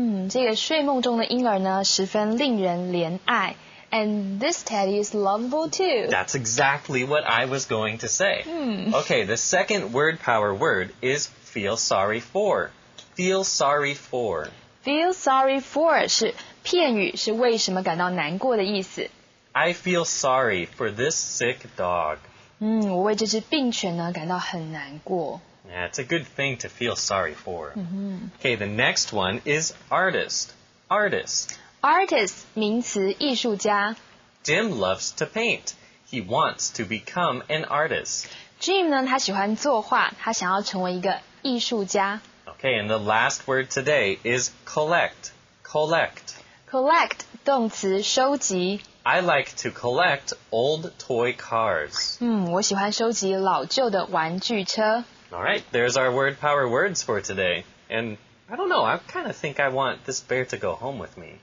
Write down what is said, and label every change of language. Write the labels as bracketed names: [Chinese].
[Chinese] 这个睡梦中的婴儿呢十分令人怜爱。 [English] And this teddy is lovable too. That's exactly what I was going to say. Okay, the second word power word is feel sorry for. Feel sorry for. [Chinese] Feel sorry for 是片语，是为什么感到难过的意思。 [English] I feel sorry for this sick dog. [Chinese] 我为这只病犬呢感到很难过。 [English] Yeah, it's a good thing to feel sorry for. Okay, the next one is artist. Artist. [Chinese] Artist, 名词艺术家。 [English] Jim loves to paint. He wants to become an artist. [Chinese] Jim 呢他喜欢作画，他想要成为一个艺术家。 [English] Okay, and the last word today is collect. Collect. [Chinese] Collect, 动词收集。 [English] I like to collect old toy cars. [Chinese] 我喜欢收集老旧的玩具车。 [English] All right, there's our word power words for today. And... I don't know. I kind of think I want this bear to go home with me.